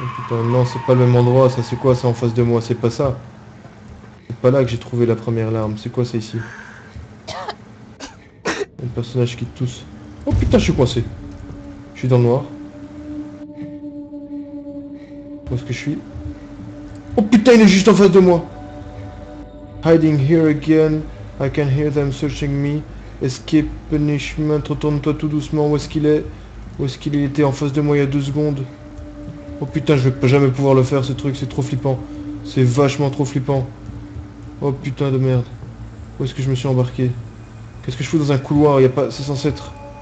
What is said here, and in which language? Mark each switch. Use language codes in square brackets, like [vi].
[fr] Non, c'est pas le même endroit, ça c'est quoi ça en face de moi, c'est pas ça. C'est pas là que j'ai trouvé la première larme, c'est quoi ça ici? Un personnage qui tousse. Oh putain, je suis coincé. Je suis dans le noir. Où est-ce que je suis? Oh putain, il est juste en face de moi. [en] Hiding here again, I can hear them searching me. Escape, punishment, [fr] retourne-toi tout doucement, où est-ce qu'il est? Où est-ce qu'il était en face de moi il y a 2 secondes? Oh putain, je vais jamais pouvoir le faire ce truc, c'est trop flippant. C'est vachement trop flippant. Oh putain de merde. Où est-ce que je me suis embarqué? Qu'est-ce que je fous dans un couloir? Y a pas... C'est censé être...